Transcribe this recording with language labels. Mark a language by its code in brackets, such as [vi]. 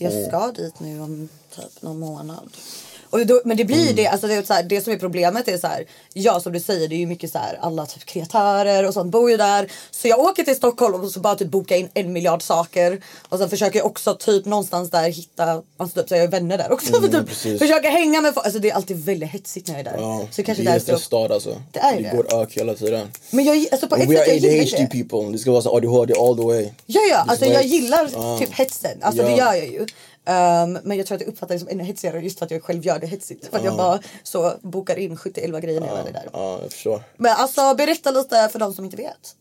[sv] Jag ska dit nu om typ någon månad. Och då, men det blir det, alltså det, är så här, det som är problemet är så här, ja, som du säger, det är ju mycket så här, alla typ kreatörer och sånt bor ju där. Så jag åker till Stockholm och så bara typ bokar in 1 miljard saker. Och sen försöker jag också typ någonstans där hitta, alltså typ, så jag är vänner där också. Mm, typ, försöker hänga med folk, alltså det är alltid väldigt hetsigt när jag är där. Ja, så kanske det är en stad alltså. Det är det. Vi går ök hela tiden. Men jag, alltså på ett sätt, jag gillar det. [en] We are ADHD people, [sv] det ska vara så [en] ADHD all the way. [sv] Ja, alltså jag gillar typ hetsen, alltså det gör jag ju. Men jag tror att jag uppfattar det som ännu hetsigare just för att jag själv gör det hetsigt. För att jag bara så bokar in 7-11 grejer när jag är där. Men alltså, berätta lite för dem som inte vet.